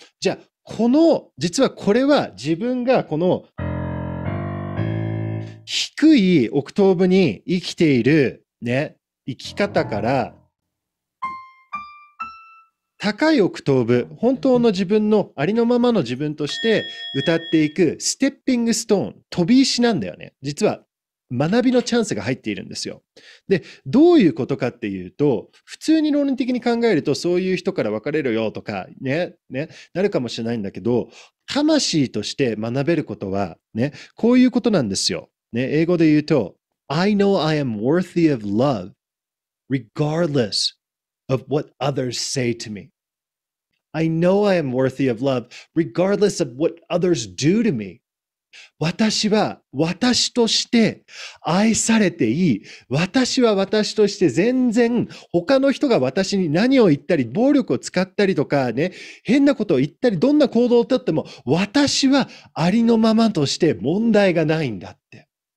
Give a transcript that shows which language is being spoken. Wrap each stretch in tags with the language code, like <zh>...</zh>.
<ja>じゃあ、実はこれは自分がこの低いオクトーブに生きている、ね、生き方から高いオクトーブ、本当の自分のありのままの自分として歌っていくステッピングストーン、飛び石なんだよね。実は学びのチャンスが入っているんですよ。で、どういうことかっていうと、普通に論理的に考えると、そういう人から別れるよとか、ね、なるかもしれないんだけど、魂として学べることは、ね、こういうことなんですよ。ね、英語で言うと、</ja> <en>I know I am worthy of love, regardless of what others say to me. I know I am worthy of love, regardless of what others do to me.</en> <ja>私は私として愛されていい。私は私として全然他の人が私に何を言ったり、暴力を使ったりとかね、変なことを言ったり、どんな行動をとっても私はありのままとして問題がないんだって。</ja>